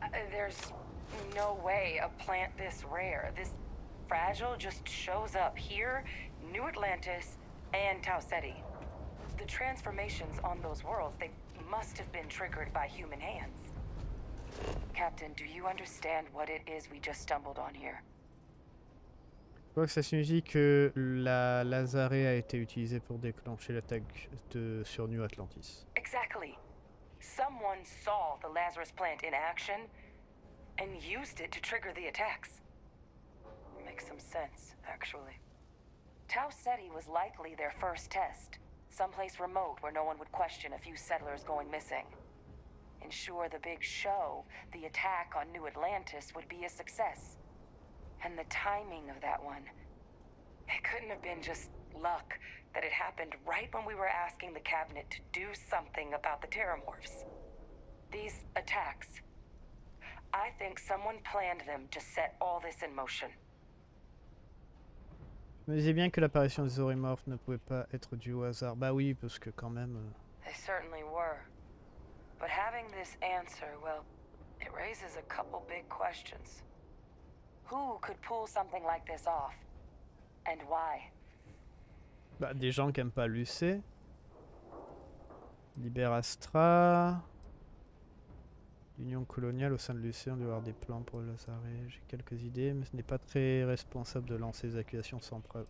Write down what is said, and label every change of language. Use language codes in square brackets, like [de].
[en] There's no way a plant this rare, this fragile, just shows up here, New Atlantis, and Tau Ceti. The transformations on those worlds, they must have been triggered by human hands. Captain, do you understand what it is we just stumbled on here? [fr] Je crois que ça signifie que la Lazarée a été utilisée pour déclencher l'attaque de sur New Atlantis. [en] Exactly. Someone saw the Lazarus plant in action and used it to trigger the attacks. Makes some sense, actually. Tau Ceti was likely their first test, someplace remote where no one would question a few settlers going missing. Ensure the big show, the attack on New Atlantis would be a success. And the timing of that one. It couldn't have been just luck that it happened right when we were asking the Cabinet to do something about the Terramorphs. These attacks. I think someone planned them to set all this in motion. [fr] Je me disais bien que l'apparition des Orimorphs ne pouvait pas être due au hasard. Bah oui, parce que quand même... [en] They certainly were. But having this answer, well, it raises a couple big questions. Who could pull something like this off? And why? [fr] Bah, des gens qui aiment pas l'UC. Liber Astra. L'Union coloniale au sein de l'UC, on doit avoir des plans pour le Lazare. J'ai quelques idées, mais ce n'est pas très responsable de lancer des accusations sans preuve.